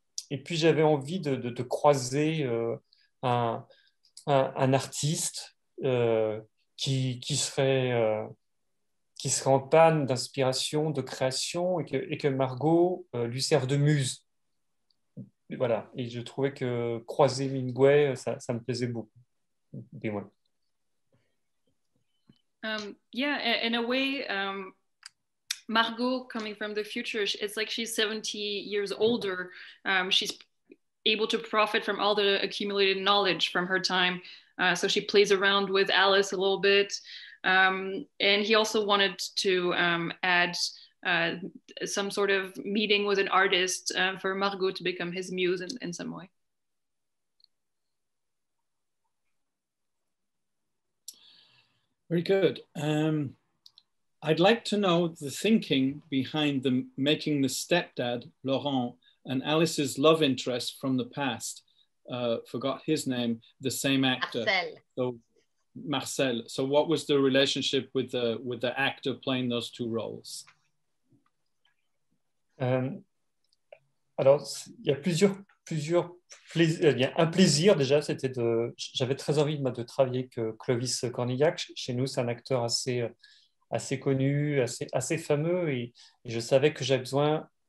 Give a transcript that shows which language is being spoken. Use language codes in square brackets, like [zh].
[fr] Et puis j'avais envie de croiser un artiste qui serait en panne d'inspiration, de création, et que Margot lui serve de muse. Voilà, et je trouvais que croiser Hemingway, ça me plaisait beaucoup. Et voilà. [en] Yeah, in a way, Margot coming from the future, it's like she's 70 years older. She's able to profit from all the accumulated knowledge from her time. So she plays around with Alice a little bit. And he also wanted to add some sort of meeting with an artist for Margot to become his muse in some way. Very good. I'd like to know the thinking behind the making the stepdad, Laurent, and Alice's love interest from the past. Forgot his name, the same actor. Marcel. So what was the relationship with the actor playing those two roles? [fr] Alors, il y a plusieurs plaisirs. Il y a un plaisir déjà, c'était de. J'avais très envie de travailler avec Clovis Cornillac. Chez nous, c'est un acteur assez connu, assez fameux, et je savais que j'avais besoin